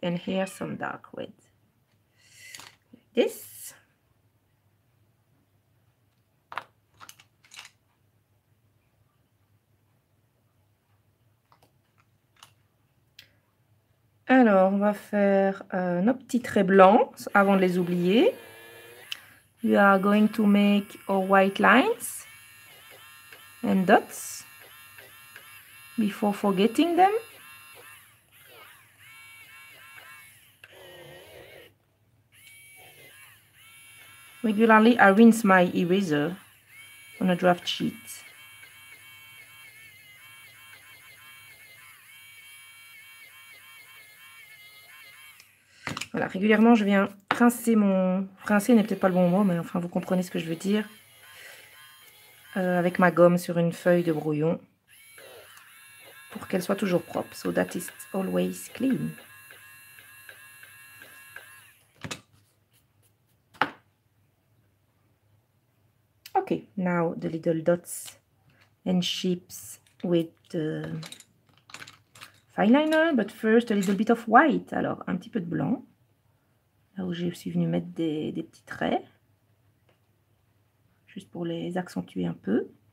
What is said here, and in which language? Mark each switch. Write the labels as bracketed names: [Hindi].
[English] And here, some dark red. Like this. [French] Alors, on va faire nos petits traits blancs avant de les oublier. [English] We are going to make our white lines and dots. before forgetting them. Regularly, I rinse my eraser on a draft sheet. [French] Voilà, régulièrement, je viens rincer mon... Rincer n'est peut-être pas le bon mot, mais enfin, vous comprenez ce que je veux dire. Avec ma gomme sur une feuille de brouillon. Pour qu'elle soit toujours propre. [English] So that is always clean. Okay, now the little dots and shapes with the fineliner. But first, a little bit of white. [French] Alors, un petit peu de blanc. Là où j'ai aussi venu mettre des petits traits. Juste pour les accentuer un peu.